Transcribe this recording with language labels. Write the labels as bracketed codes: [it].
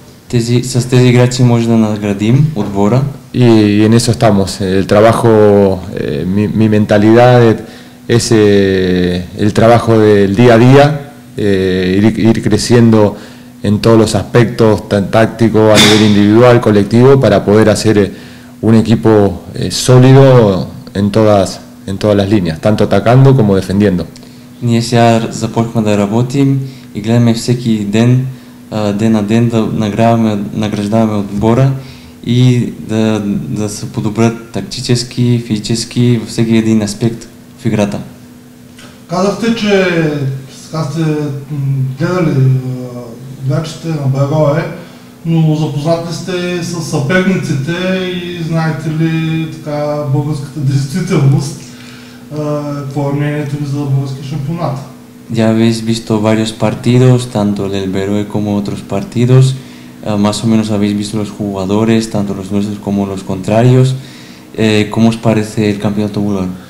[bg] Тези играчи може да надградим отбора. [es] Y en eso estamos. El trabajo mi mentalidad es el trabajo del día a día ir creciendo en todos los aspectos, tanto táctico, a nivel individual, colectivo, para poder hacer un equipo sólido en todas las líneas, tanto atacando como defendiendo. [bg] Ние сега започваме да работим и гледаме всеки ден, ден на ден да награждаваме отбора и да се подобрят тактически, физически, във всеки един аспект в играта. Казахте, че сте гледали играчите на Берое, но запознати сте с съперниците и знаете ли така българската действителност, какво е мнението ви за български шампионат? [es] Ya habéis visto varios partidos, tanto del Berue como otros partidos. Más o menos habéis visto los jugadores, tanto los nuestros como los contrarios. ¿Cómo os parece el campeonato búlgaro?